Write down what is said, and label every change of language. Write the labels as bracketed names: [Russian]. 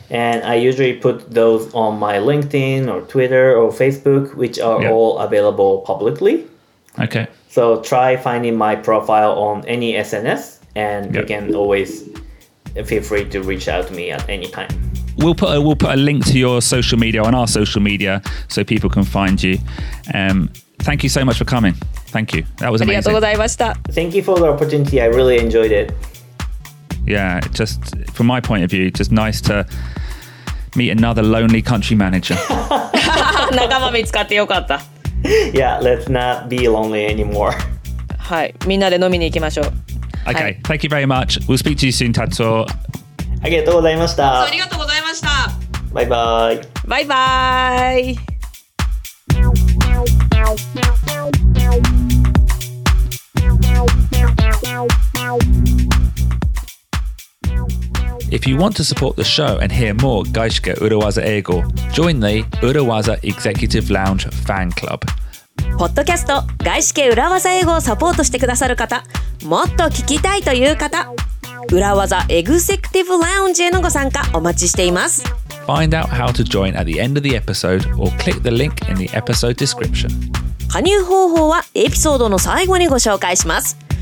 [English] And I usually put those on my LinkedIn or Twitter or Facebook, which are all available publicly. Okay. So try finding my profile on any SNS and you can always feel free to reach out to me at any time. We'll put a link to your social media on our social media so people can find you. Thank you so much for coming. Thank you. That was amazing. [Japanese] ありがとうございました。 [English] Thank you for the opportunity. I really enjoyed it. Yeah, just from my point of view, just nice to meet another lonely country manager. [Japanese] 仲間見つかってよかった。 [English] Yeah, let's not be lonely anymore. [Japanese] はい、みんなで飲みに行きましょう。 [English] Okay,、はい、thank you very much. We'll speak to you soon, Tatsuo. [Japanese] ありがとうございました。ありがとうございました。 [English] Bye bye. Bye bye. If you want to support the show and hear more Gaishike Urawaza Eigo, join the Urawaza Executive Lounge Fan Club. [Japanese] ポッドキャスト Gaishike Urawaza Eigo をサポートしてくださる方、もっと聞きたいという方、Urawaza Executive Lounge へのご参加お待ちしています。 [English] Find out how to join at the end of the episode or click the link in the episode description. [Japanese] 加入方法はエピソードの最後にご紹介します。